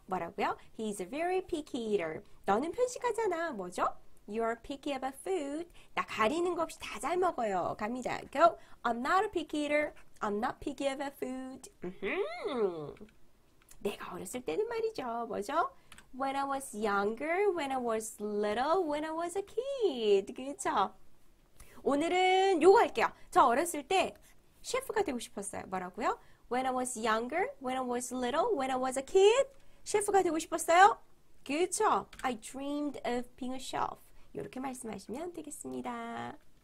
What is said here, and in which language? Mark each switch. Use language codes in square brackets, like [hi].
[ko] 뭐라고요? [en] He's a very picky eater. [ko] 너는 편식하잖아. 뭐죠? [en] You are picky about food. [ko] 나 가리는 거 없이 다잘 먹어요. 갑니다. [en] Go. I'm not a picky eater. I'm not picky about food. [ko] 내가 어렸을 때는 말이죠. 뭐죠? [en] When I was younger, when I was little, when I was a kid. [ko] 그쵸? 오늘은 요거 할게요. 저 어렸을 때 셰프가 되고 싶었어요. 뭐라고요? [en] When I was younger, when I was little, when I was a kid, [ko] 셰프가 되고 싶었어요? 그쵸? [en] I dreamed of being a chef. [ko] 이렇게 말씀하시면 되겠습니다.